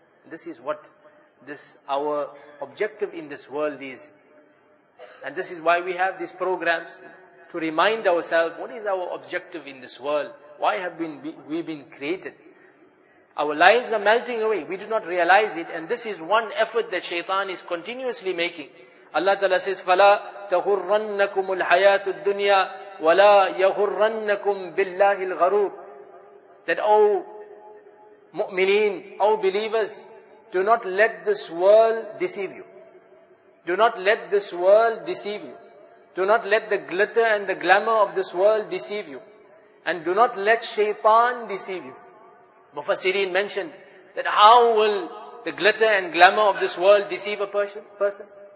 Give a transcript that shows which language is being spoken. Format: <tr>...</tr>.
<en>This is what this our objective in this world is. And this is why we have these programs, to remind ourselves, what is our objective in this world? Why have we been created? Our lives are melting away. We do not realize it. And this is one effort that shaitan is continuously making. Allah Ta'ala says,</en> <ar>فَلَا تَغُرَّنَّكُمُ الْحَيَاةُ الدُّنْيَا وَلَا يَغُرَّنَّكُمْ بِاللَّهِ الْغَرُورِ.</ar> <en>That, oh mu'mineen, oh believers, do not let this world deceive you. Do not let this world deceive you. Do not let the glitter and the glamour of this world deceive you. And do not let shaitan deceive you. Mufassirin mentioned that how will the glitter and glamour of this world deceive a person?</en>